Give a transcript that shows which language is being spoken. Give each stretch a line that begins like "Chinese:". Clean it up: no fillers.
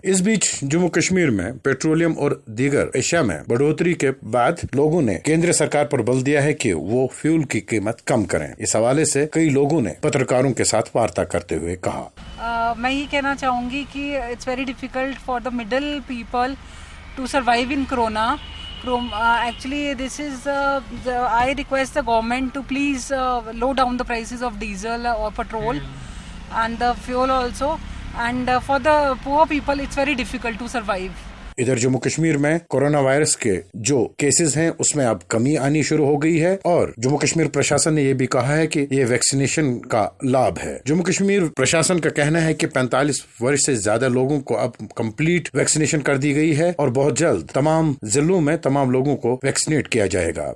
Hindi: इस बीच जम्मू कश्मीर में पेट्रोलियम और दीगर एशिया में बढ़ोतरी के बाद लोगों ने केंद्र सरकार पर बल दिया है कि वो फ्यूल की कीमत कम करें। इस हवाले से कई लोगों ने पत्रकारों के साथ वार्ता करते हुए कहा, मैं ये कहना चाहूंगी कि
English: It's very difficult for the middle people to survive in corona. Actually, this is, I request the government to please low down the prices of diesel or petrol and the fuel also. And for the poor people, it's very difficult to survive.
Hindi: इधर जम्मू कश्मीर में corona virus के जो cases हैं उसमें अब कमी आनी शुरू हो गई है और जम्मू कश्मीर प्रशासन ने ये भी कहा है कि ये वैक्सीनेशन का लाभ है। जम्मू कश्मीर प्रशासन का कहना है कि 45 वर्ष से ज्यादा लोगों को अब कंप्लीट वैक्सीनेशन कर दी गई है और बहुत जल्द तमाम जिलों में तमाम लोगों को वैक्सीनेट किया जाएगा।